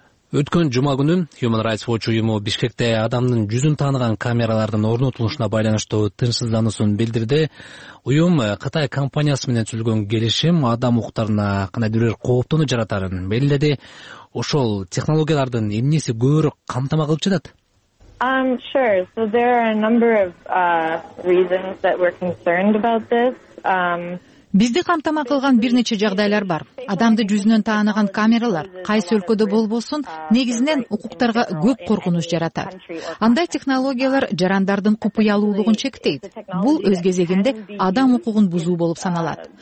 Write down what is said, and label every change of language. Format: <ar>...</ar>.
<ky>Өткөн жума күнү Human Rights Watch уюму Бишкекте адамдын жүзүн тааныган камералардын орнотулушуна байланыштуу тынчсыздануусун билдирди. Уюм Кытай компаниясы менен түзүлгөн келишим адам укуктарына кандайдыр кооптонуу жаратарын белгиледи. Ошол технологиялардын эмнеси көбүрөөк камтама кылып жатат?</ky> <en>Sure. So there are a number of reasons that we're concerned about this.</en> <ky>Бизди камтама кылган бир нече жагдайлар бар. Адамды жүзүнөн тааныган камералар, кайсы өлкөдө болбосун, негизинен укуктарга көп коркунуч жаратат. Андай технологиялар жарандардын купуялуулугун чектейт. Бул өз кезегинде адам укугун бузуу болуп саналат.</ky>